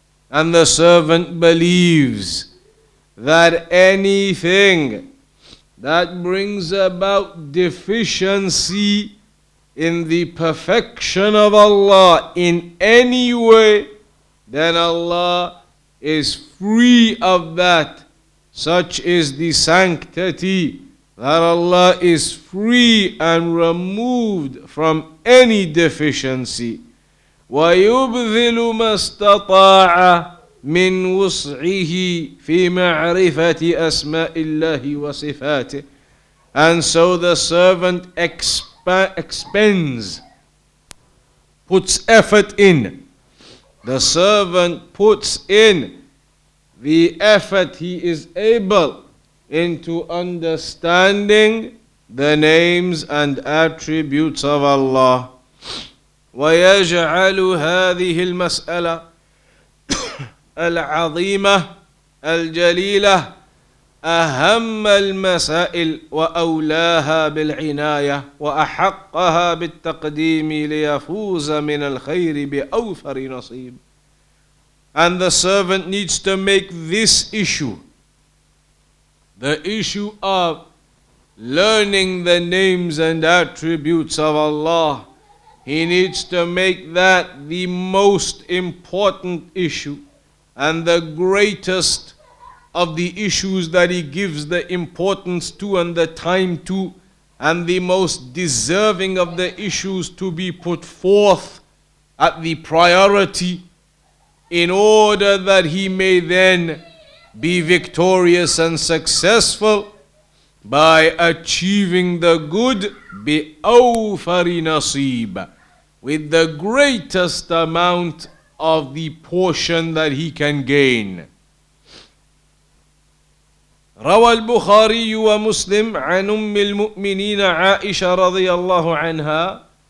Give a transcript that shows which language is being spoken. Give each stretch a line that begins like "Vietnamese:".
English: And the servant believes that anything that brings about deficiency in the perfection of Allah in any way, then Allah is free of that. Such is the sanctity, that Allah is free and removed from any deficiency.
Arabic: ويبذل ما استطاع من وسعه في معرفة أسماء الله وصفاته.
English: And so the servant expends, puts effort in. The servant puts in the effort he is able into understanding the names and attributes of Allah.
Arabic: ويجعل هذه المسألة العظيمة الجليلة أهم المسائل وأولاها بالعناية وأحقها بالتقديم ليفوز من الخير بأوفر نصيب.
English: And the servant needs to make this issue, the issue of learning the names and attributes of Allah, he needs to make that the most important issue and the greatest of the issues that he gives the importance to and the time to, and the most deserving of the issues to be put forth at the priority, in order that he may then be victorious and successful by achieving the good
Arabic: بأوفر نصيب,
English: with the greatest amount of the portion that he can gain.
Arabic: روى البخاري ومسلم عن أم المؤمنين عائشة رضي الله عنها.